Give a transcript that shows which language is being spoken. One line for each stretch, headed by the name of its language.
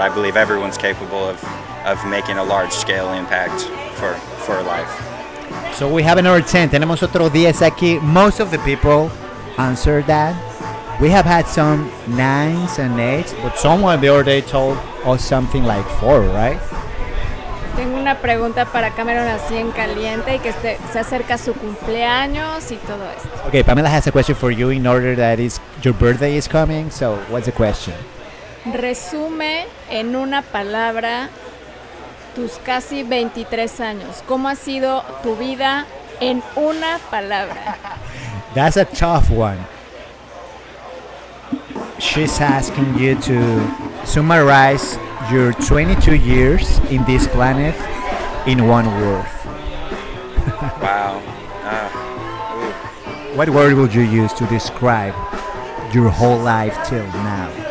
English: I believe everyone's capable of making a large-scale impact for life. So we have another 10.
Spanish: Tenemos otro 10 aquí.
English: Most of the people answered that. We have had some 9s and 8s, but someone the other day told us something like 4, right?
Spanish: Tengo una pregunta para Cameron así en caliente y que se acerca su cumpleaños y todo esto.
English: Okay, Pamela has a question for you in order that is your birthday is coming. So, what's the question?
Spanish: Resume en una palabra tus casi 23 años. ¿Cómo ha sido tu vida en una palabra?
English: That's a tough one. She's asking you to summarize your 22 years in this planet in one word. Wow. What word would you use to describe your whole life till now?